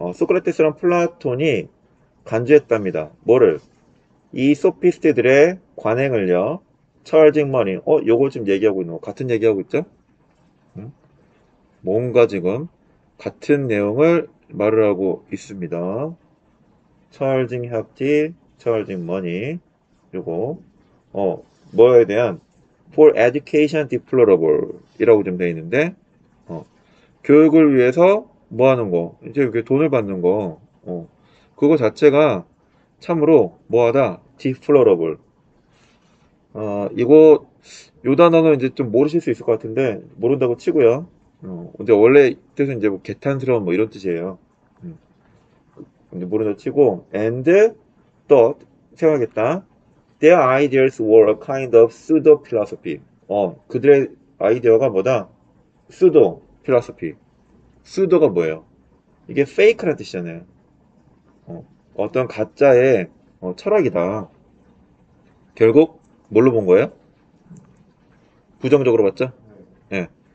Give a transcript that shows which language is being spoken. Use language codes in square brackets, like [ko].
[ko] 소크라테스랑 플라톤이 간주했답니다. 뭐를? 이 소피스트들의 관행을요. [en] Charging money. [ko] 요거 지금 얘기하고 있는 거 같은 얘기하고 있죠? 뭔가 지금 같은 내용을 말을 하고 있습니다. [en] Charging hefty, charging money. [ko] 요거 뭐에 대한 [en] for education deplorable [ko] 이라고 좀돼 있는데 교육을 위해서 뭐 하는 거 이제 이렇게 돈을 받는 거 그거 자체가 참으로 뭐하다 deplorable. 이거 요 단어는 이제 좀 모르실 수 있을 것 같은데 모른다고 치고요. 근데 원래 뜻은 이제 뭐 개탄스러운 뭐 이런 뜻이에요. 모른다 치고 [en] and thought [ko] 생각했다. [en] Their ideas were a kind of pseudo philosophy. [ko] 그들의 아이디어가 뭐다? [en] pseudo philosophy. [ko] pseudo가 뭐예요? 이게 fake란 뜻이잖아요. 어떤 가짜의 철학이다. 결국 뭘로 본 거예요? 부정적으로 봤죠? 예. 네.